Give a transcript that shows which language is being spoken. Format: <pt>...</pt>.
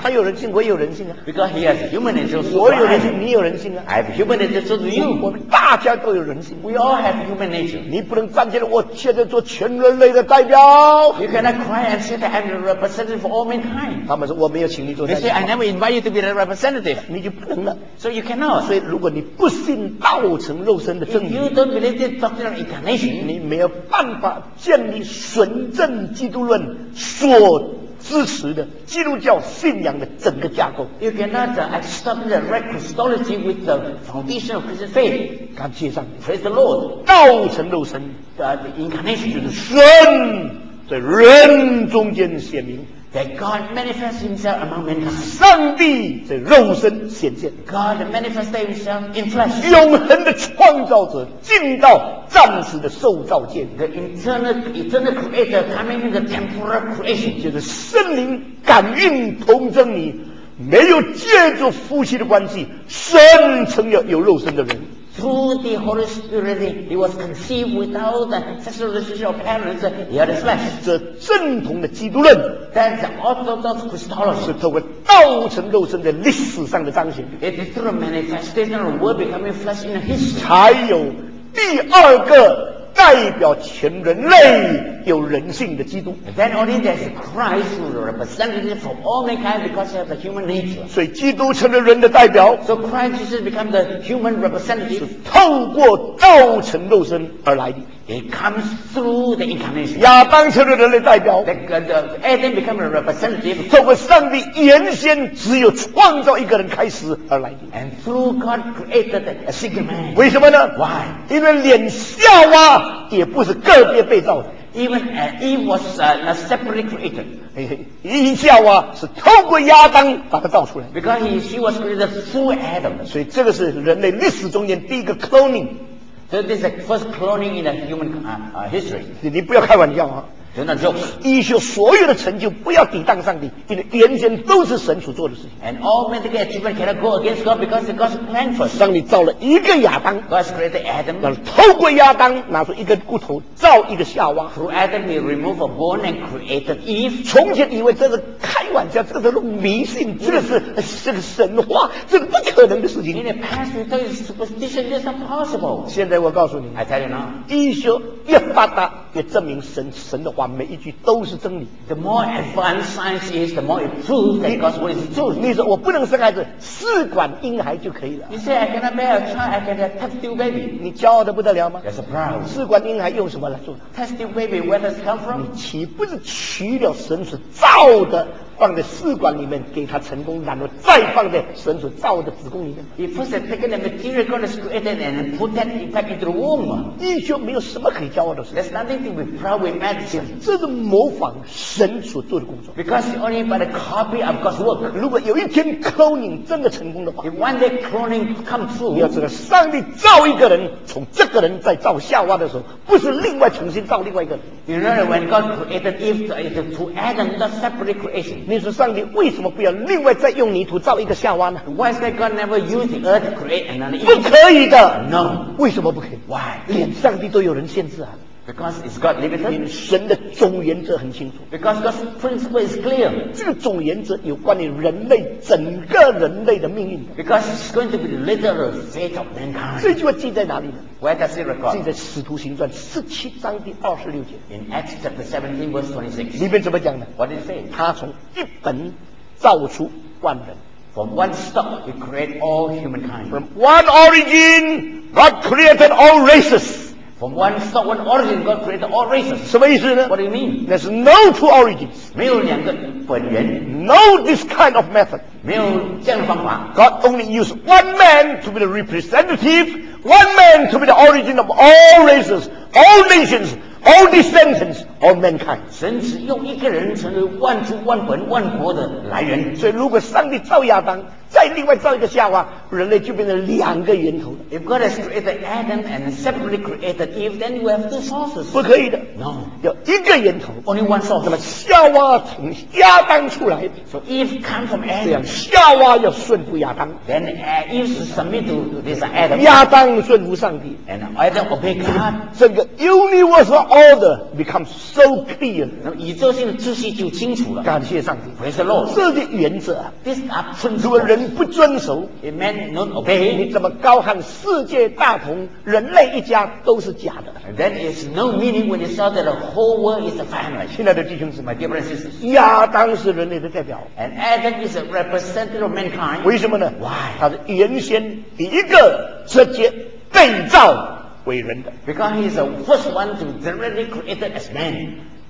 <zh>他有人性，我也有人性啊。</zh> <en>Because he has human nature.</en> <zh>我有人性，你有人性啊。</zh> <en>I have human nature. So do you.</en> <zh>我们大家都有人性。</zh> <en>We all have human nature.</en> <zh>你不能站起来，我现在做全人类的代表。</zh> <en>You cannot cry and say that I'm the representative for all mankind.</en> <zh>他们说我没有请你做代表。</zh> <en>They say I never invite you to be the representative.</en> <zh>你就不能了。</zh> <en>So you cannot.</en> <zh>所以如果你不信道成肉身的真理</zh> <en>，If you don't believe the doctrine of incarnation，</en> <zh>你没有办法建立纯正基督论所。支持的基督教信仰的整个架构。</zh> <en>You cannot establish the right Christology with the foundation of Christian faith.</en> <zh>感谢上帝。</zh> <en>Praise the Lord.</en> <zh>道成肉身。</zh> <en>The incarnation</en> <zh>就是神在人中间显明。</zh> <en>That God manifests Himself among mankind.</en> <zh>上帝的肉身显现。</zh> <en>God manifests Himself in flesh.</en> <zh>永恒的创造者进到暂时的受造界。</zh> <en>The eternal creator coming into the temporal creation.</en> <zh>就是圣灵感应童真你，没有借助夫妻的关系，生成了有肉身的人。</zh> <en>Through the Holy Spirit, he was conceived without the sexual relationship of parents, he had a flesh.</en> <zh>这正统的基督论</zh> <en>That's the Orthodox Christology.</en> <zh>是透过道成肉身在历史上的彰显</zh> <en>It is through a manifestation of the word becoming flesh in history.</en> <zh>才有第二个代表全人类有人性的基督</zh> <en>Then only there's Christ who is representative for all mankind because he has a human nature.</en> <zh>所以基督成了人的代表</zh> <en>So Christ has become the human representative.</en> <zh>是透过道成肉身而来的</zh> <en>He comes through the incarnation.</en> <zh>亚当成了人的代表</zh> <en>Adam became a representative.</en> <zh>透过上帝原先只有创造一个人开始而来的</zh> <en>And through God created a single man.</en> <zh>为什么呢</zh> <en>Why?</en> <zh>因为连夏娃也不是个别被造的</zh> <en>Even Eve was a separate creator.</en> <zh>伊夏娃是透过亚当把他造出来。</zh> <en>Because she was created through Adam.</en> <zh>所以这个是人类历史中间第一个 cloning.</zh> <en>So this is the first cloning in the human history.</en> <zh>你不要开玩笑啊！真的就医学所有的成就不要抵挡上帝，因为原先都是神所做的事情。</zh> <en>And all medical achievement cannot go against God because God's plan for.</en> <zh>上帝造了一个亚当</zh> <en>，God created Adam，</en> <zh>然后透过亚当拿出一根骨头造一个夏娃。</zh> <en>Through Adam he removed a bone and created Eve。</en> <zh>从前以为这是开玩笑，这是种迷信，这个神话，这个不可能的事情。</zh> <en>In the past we thought it's superstition, it's impossible。</en> <zh>现在我告诉你</zh> <en>，I tell you now，</en> <zh>医学越发达。也证明神的话每一句都是真理。</zh> <en>The more advanced science is, the more it proves that God's word is true.</en> <zh>你说我不能生孩子，试管婴孩就可以了。</zh> <en>You say I cannot bear a child, I can have test tube baby.</en> <zh>你骄傲得不得了吗</zh> <en>？That's proud.</en> <zh>试管婴孩用什么来做</zh> <en>？Test tube baby, where does it come from?</en> <zh>你岂不是取了神所造的？放在试管里面给他成功然后再放在神所造的子宫里面</zh> <en>He first had taken the material God has created and put that back into the womb</en> <zh>医学没有什么可以骄傲的事</zh> <en>There's nothing to be proud with medicine</en> <zh>这是模仿神所做的工作</zh> <en>Because only by the copy of God's work</en> <zh>如果有一天 cloning 真的成功的话</zh> <en>If one day cloning comes true</en> <zh>你要知道上帝造一个人从这个人在造夏娃的时候不是另外重新造另外一个人</zh> <en>You know when God created Eve it's to Adam not separate creation</en> <zh>你说上帝为什么不要另外再用泥土造一个夏娃呢</zh> <en>Why is that God never use the earth to create another Eve?</en> <zh>不可以的</zh> <en>No</en> <zh>为什么不可以</zh> <en>Why?</en> <zh>连上帝都有人限制啊</zh> <en>Because it's God limited</en> <zh>因为神的总原则很清楚</zh> <en>Because God's principle is clear</en> <zh>这个总原则有关于人类整个人类的命运</zh> <en>Because it's going to be the literal fate of mankind</en> <zh>这句话记在哪里呢</zh> <en>Where does it record?</en> <zh>记在使徒行传17章第26节</zh> <en>In Acts chapter 17 verse 26</en> <zh>里面怎么讲呢</zh> <en>What did it say?</en> <zh>他从一本造出万人</zh> <en>From one stock he created all humankind From one origin God created all races From one stock one origin God created all races</en> <zh>什么意思呢</zh> <en>What do you mean? There's no two origins</en> <zh>没有两个本源</zh> <en>No this kind of method</en> <zh>没有这样的方法</zh> <en>God only used one man to be the representative One man to be the origin of all races All nations All descendants of mankind.</en> <zh>神只用一个人成为万族、万本、万国的来源。所以，如果上帝造亚当，再另外造一个夏娃，人类就变成两个源头了。</zh> <en>If God has created Adam and separately created Eve, then you have two sources.</en> <zh>不可以的。</zh> <en>No.</en> <zh>要一个源头。</zh> <en>Only one source.</en> <zh>那么夏娃从亚当出来。</zh> <en>So Eve comes from Adam.</en> <zh>这样，夏娃要顺服亚当。</zh> <en>Then Eve is submit to this Adam.</en> <zh>亚当顺服上帝。</zh> <en>And Adam obey God.</en> <zh>整个</zh> <en>universal order becomes so clear.</en> <zh>那么宇宙性的秩序就清楚了。感谢上帝。</zh> <en>Praise the Lord.</en> <zh>这个原则。</zh> <en>This absolute.</en> <zh>除了人不遵守</zh> <en>，It meant not obey。</en> <zh>你怎么高喊世界大同，人类一家都是假的</zh> <en>？Then it's no meaning when you saw that the whole world is a family。</en> <zh>亲爱的弟兄姊妹</zh> <en>，My dear brothers and sisters，</en> <zh>亚当是人类的代表</zh> <en>，And Adam is a representative of mankind。</en> <zh>为什么呢</zh> <en>？Why？</en> <zh>他是原先第一个直接被造为人的</zh> <en>，Because he's the first one to directly created as man，</en>